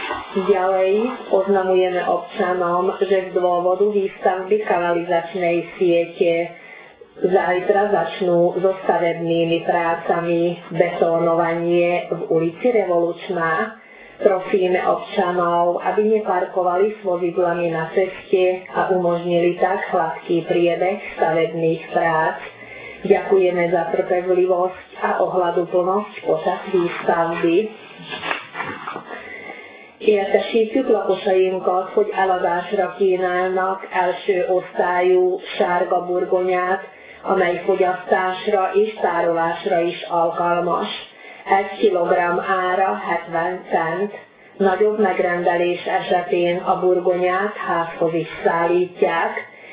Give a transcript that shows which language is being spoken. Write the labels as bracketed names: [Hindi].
[Slovak] Ďalej oznamujeme občanom, že z dôvodu výstavby kanalizačnej siete zajtra začnú so stavebnými prácami betónovanie v ulici Revolučná. Prosíme občanov, aby neparkovali s vozidlami na ceste a umožnili tak hladký priebeh stavebných prác. Ďakujeme za trpezlivosť a ohľaduplnosť počas výstavby. [Hungarian] Értesítjük lakosainkat, hogy eladásra kínálnak első osztályú sárga burgonyát, amely fogyasztásra és tárolásra is alkalmas. 1 kg ára 70 cent. Nagyobb megrendelés esetén a burgonyát házhoz is szállítják.